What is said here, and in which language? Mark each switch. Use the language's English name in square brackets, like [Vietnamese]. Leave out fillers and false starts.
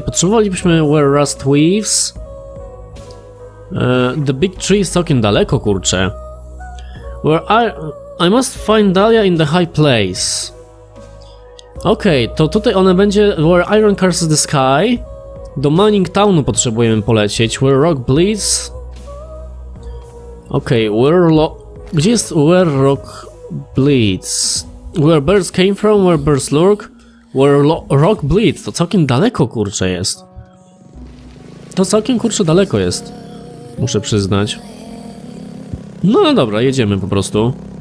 [Polish] Potrzebowalibyśmy [English] where rust weaves. [Polish] The big tree jest całkiem daleko, kurczę. Where [English] I must find Dahlia in the high place. [Polish] Okej, okay, to tutaj ona będzie [English] where iron curses the sky. [Polish] Do Mining Townu potrzebujemy polecieć. [English] Where rock bleeds. [Polish] Okej, okay, gdzie jest [English] where rock bleeds? Where birds came from, where birds lurk. Where rock bleeds. [Polish] To całkiem daleko, kurczę, jest. To całkiem, kurczę, daleko jest. Muszę przyznać. No, no dobra, jedziemy po prostu.